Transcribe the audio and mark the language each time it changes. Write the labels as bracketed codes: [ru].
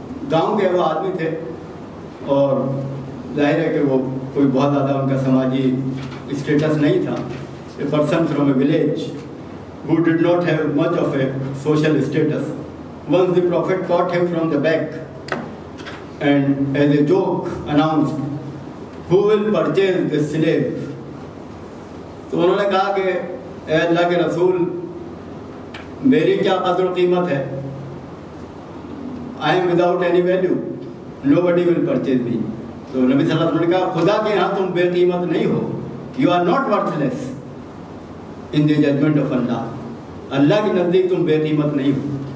[hi] गांव के वो आदमी थे और जाहिर है कि वो कोई बहुत ज़्यादा उनका समाजी स्टेटस नहीं था, [en] A person from a village who did not have much of a social status. Once the Prophet caught him from the back and as a joke announced, who will purchase this slave? [hi] So उन्होंने कहा कि ए अल्लाह के रसूल, मेरी क्या कदर कीमत है, [en] I am without any value, nobody will purchase me। [hi] तो नबी सल्लल्लाहु अलैहि वसल्लम ने कहा, खुदा के यहाँ तुम बेकीमत नहीं हो, [en] you are not worthless in the judgment of Allah, [hi] अल्लाह के नज़दीक तुम बेकीमत नहीं हो।